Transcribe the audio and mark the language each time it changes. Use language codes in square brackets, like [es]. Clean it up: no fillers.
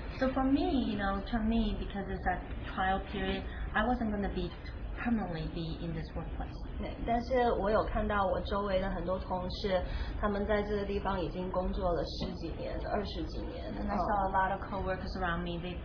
[en] So for me, you know, to me, because it's a trial period, I wasn't going to be permanently be in this workplace. [zh] 但是我有看到我周围的很多同事，他们在这个地方已经工作了十几年、二十几年。 [en] And I saw a lot of coworkers around me.